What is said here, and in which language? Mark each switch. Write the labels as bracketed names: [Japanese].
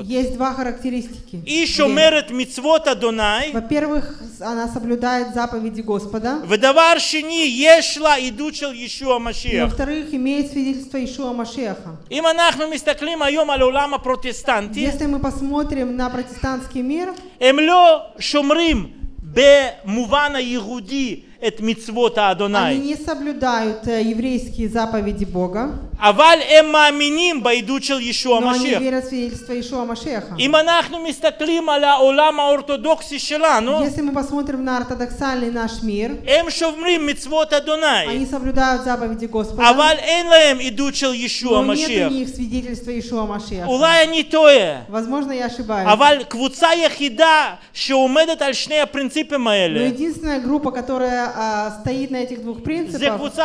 [Russian] Есть два характеристики. И [Hebrew] שומרת מצוות אדוני. [Russian] Во-первых, она соблюдает заповеди Господа. [Hebrew] ודבר שני, יש לה עדות של ישוע המשיח. [Russian] Во-вторых, имеет свидетельство Иешуа Машеха. [Hebrew] אם אנחנו מסתכלים היום על עולם הפרוטסטנטי, [Russian] если мы посмотрим на протестантский мир, [Hebrew] הם לא שומרים במובן היהודי את מצוות האדוני. [Russian] Они не соблюдают еврейские заповеди Бога. [Hebrew] אבל הם מאמינים בעדות של ישוע המשיח. [Russian] Но они верят в свидетельство Иешуа Машеха. [Hebrew] אם אנחנו מסתכלים על העולם האורתודוקסי שלנו, [Russian] если мы посмотрим на ортодоксальный наш мир, [Hebrew] הם שומרים מצוות האדוני. [Russian] Они соблюдают заповеди Господа. [Hebrew] אבל אין להם עדות של ישוע המשיח. [Russian] Но нет у них свидетельства Иешуа Машеха. [Hebrew] אולי אני טועה. [Russian] Возможно, я ошибаюсь. [Hebrew] אבל קבוצה יחידה שעומדת על שני הפרינציפים האלה. [Russian] Но единственная группа, которая стоит на этих двух принципах.